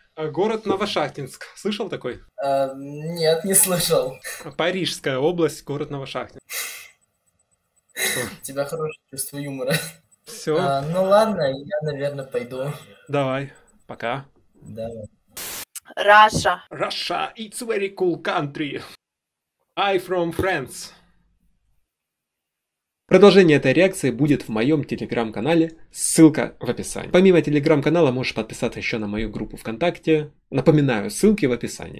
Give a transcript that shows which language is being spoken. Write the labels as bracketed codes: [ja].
[ru] Город Новошахтинск. Слышал такой? Нет, не слышал. Парижская область, город Новошахтинск. У тебя хорошее чувство юмора. Все. Ну ладно, я, наверное, пойду. Давай, пока. Раша. [en] Раша, it's very cool country. I from France. [ru] Продолжение этой реакции будет в моем телеграм-канале, ссылка в описании. Помимо телеграм-канала, можешь подписаться еще на мою группу ВКонтакте. Напоминаю, ссылки в описании.